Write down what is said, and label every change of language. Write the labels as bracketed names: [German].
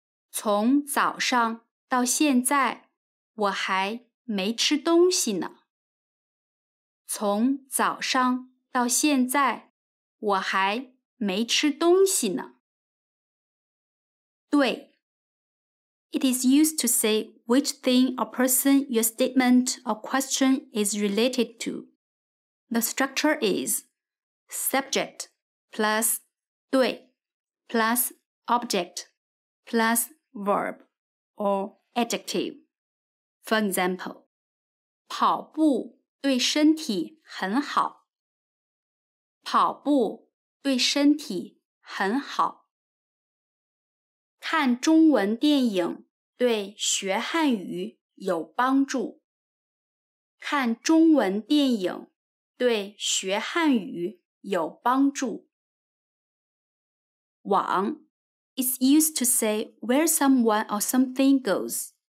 [Chinese] 从早上到现在我还没吃东西呢。从早上到现在我还没吃东西呢。对。 [English] It is used to say which thing or person your statement or question is related to. The structure is subject plus 对 plus object plus verb or adjective. For example, [Chinese] 跑步对身体很好。跑步对身体很好。看中文电影对学汉语有帮助。看中文电影对学汉语有帮助。 [English] 网 is used to say where someone or something goes.